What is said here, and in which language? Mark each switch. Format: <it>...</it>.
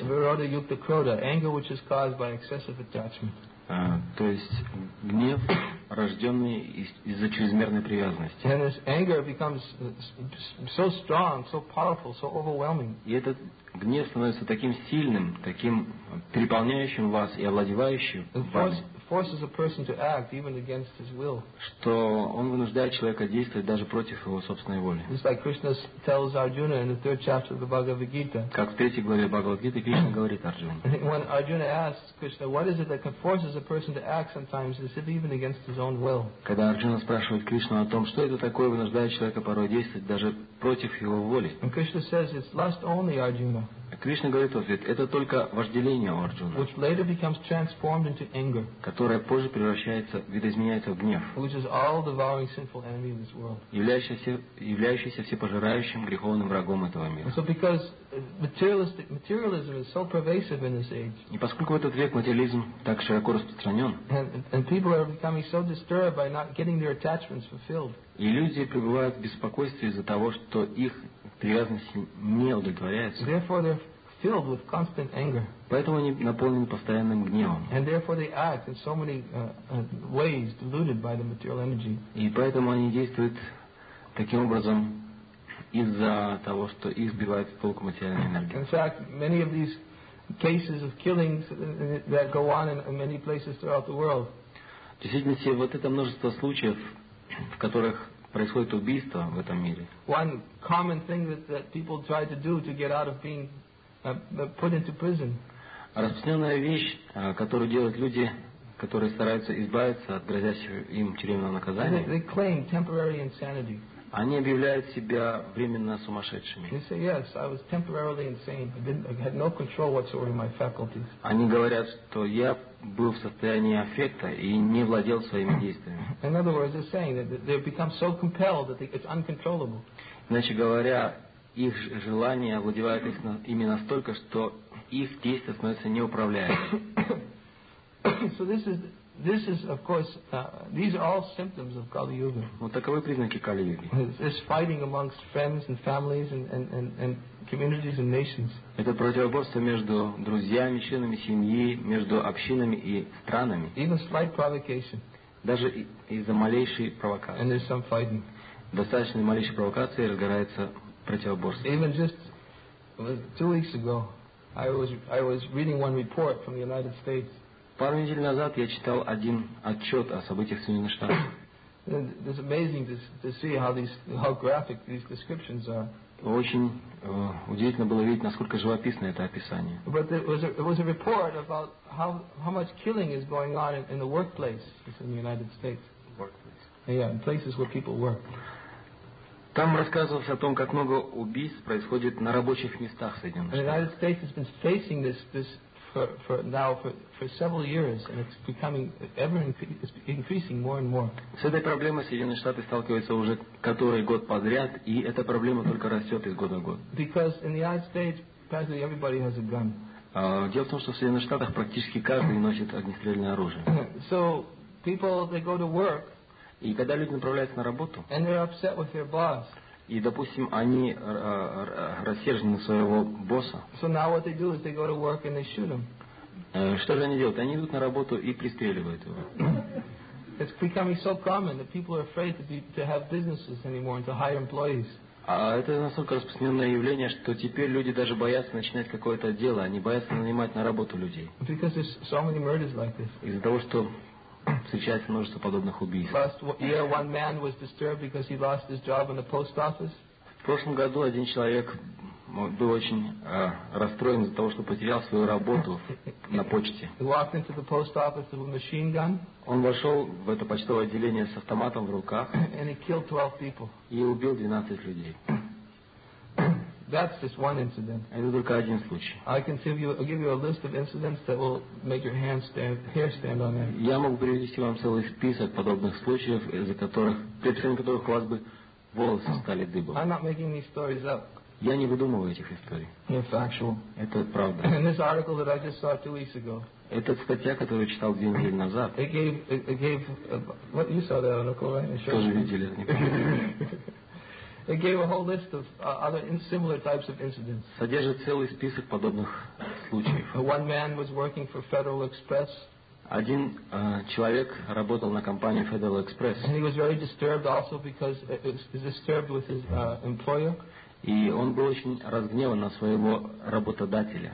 <en>The Virodha Yukta Krodha, anger which is caused by excessive attachment.</en> <ru>То есть гнев, рожденный из-за чрезмерной привязанности.</ru> <en>And this anger becomes so strong, so powerful, so overwhelming.</en> <ru>И этот гнев становится таким сильным, таким переполняющим вас и овладевающим вами.</ru> <en>Forces a person to act even against his will.</en> <ru>Что он вынуждает человека действовать даже против его собственной воли.</ru> <en>Just like Krishna tells Arjuna in the third chapter of the Bhagavad Gita.</en> <ru>Как в третьей главе Бхагавад Гиты Кришна говорит Арджуне.</ru> <en>When Arjuna asks Krishna, what is it that forces a person to act sometimes as if even against his own will?</en> <ru>Когда Арджуна спрашивает Кришну о том, что это такое вынуждает человека порой действовать даже против его воли.</ru> <en>And Krishna says it's lust only, Arjuna.</en> <ru>Кришна говорит в ответ, это только вожделение у Арджуны,</ru> <en>which later becomes transformed into anger,</en> <ru>которое позже превращается, видоизменяется в гнев,</ru> <en>which is all devouring sinful enemy in this world,</en> <ru>являющийся всепожирающим греховным врагом этого мира.</ru> <en>So because materialism is so pervasive in this age,</en> <ru>и поскольку в этот век материализм так широко распространен,</ru> <en>and people are becoming so disturbed by not getting their attachments fulfilled,</en> <ru>и люди пребывают в беспокойстве из-за того, что их привязанности не удовлетворяются.</ru> <en>Therefore, they're filled with constant anger.</en> <ru>Поэтому они наполнены постоянным гневом.</ru> <en>And therefore, they act in so many ways deluded by the material energy.</en> <ru>И поэтому они действуют таким образом из-за того, что их сбивает с толку материальная энергия.</ru> <en>In fact, many of these cases of killings that go on in many places throughout the world.</en> <ru>В действительности, вот это множество случаев, в которых происходит убийство в этом мире.</ru> <en>One common thing that people try to do to get out of being put into prison.</en> <ru>Распространенная вещь, которую делают люди, которые стараются избавиться от грозящего им тюремного наказания.</ru> <en>They claim temporary insanity.</en> <ru>Они объявляют себя временно сумасшедшими.</ru> <en>They say, yes, I was temporarily insane. I had no control whatsoever in my faculties.</en> <ru>Они говорят, что я был в состоянии аффекта и не владел своими действиями.</ru> <en>In other words, they're saying that they've become so compelled that it's uncontrollable.</en> <ru>Иначе говоря, их желания овладевают ими настолько, что их действия становятся неуправляемыми.</ru> <en>So this is, of course, these are all symptoms of Kali-Yuga.</en> <ru>Вот таковы признаки Кали-Юги.</ru> <en>This fighting amongst friends and families and communities and nations.</en> <ru>Это противоборство между друзьями, членами семьи, между общинами и странами.</ru> <en>Even slight provocation.</en> <ru>Даже из-за малейшей провокации.</ru> <en>And there's some fighting.</en> <ru>Достаточно малейшей провокации и разгорается противоборство.</ru> <en>Even just 2 weeks ago, I was reading one report from the United States.</en> <ru>Пару недель назад я читал один отчет о событиях в Соединенных Штатах.</ru> <en>It's amazing to see how graphic these descriptions are.</en> <ru>Очень удивительно было видеть, насколько живописно это описание.</ru> <en>But it was a report about how much killing is going on in the workplace in the United States. Workplace. Yeah, in places where people work.</en> <ru>Там рассказывалось о том, как много убийств происходит на рабочих местах в Соединенных Штатах.</ru> <en>The United States has been facing this for several years, and it's becoming ever increasing more and more.</en> <ru>С этой проблемой Соединенные Штаты сталкиваются уже который год подряд, и эта проблема только растет из года в год.</ru> <en>Because in the United States, practically everybody has a gun.</en> <ru>Дело в том, что в Соединенных Штатах практически каждый носит огнестрельное оружие.</ru> <en>So people, they go to work.</en> <ru>И когда люди направляются на работу.</ru> <en>And they're upset with their boss.</en> <ru>И, допустим, они рассержены своего босса.</ru> <en>So now what they do is they go to work and they shoot him.</en> <ru>Что же они делают? Они идут на работу и пристреливают его.</ru> <en>It's becoming so common that people are afraid to have businesses anymore and to hire employees.</en> <ru>Это настолько распространенное явление, что теперь люди даже боятся начинать какое-то дело, они боятся нанимать на работу людей.</ru> <en>Because there's so many murders like this.</en> <ru>Из-за того, что встречается множество подобных убийств.</ru> <en>Last year, one man was disturbed because he lost his job in the post office.</en> <ru>В прошлом году один человек был очень расстроен из-за того, что потерял свою работу на почте.</ru> <en>He walked into the post office with a machine gun.</en> <ru>Он вошел в это почтовое отделение с автоматом в руках.</ru> <en>And he killed 12 people.</en> <ru>И убил 12 людей.</ru> <en>That's just one incident.</en> <ru>Это только один случай.</ru> <en>I can give you, I'll give you a list of incidents that will make your hand stand, hair stand on end.</en> <ru>Я могу привести вам целый список подобных случаев, из-за которых, причиной которых у вас бы волосы стали дыбом.</ru> <en>I'm not making these stories up.</en> <ru>Я не выдумываю этих историй.</ru> <en>They're factual.</en> <ru>Это правда.</ru> <en>And this article that I just saw 2 weeks ago.</en> <ru>Это статья, которую читал 2 недели назад.</ru> <en>It gave, you saw that article, right?</en> <ru>Тоже видели, не</ru> <en>It gave a whole list of other similar types of incidents.</en> <ru>Содержит целый список подобных случаев.</ru> <en>One man was working for Federal Express.</en> <ru>Один человек работал на компании Federal Express.</ru> <en>And he was very disturbed also because he was disturbed with his employer.</en> <ru>И он был очень разгневан на своего работодателя.</ru>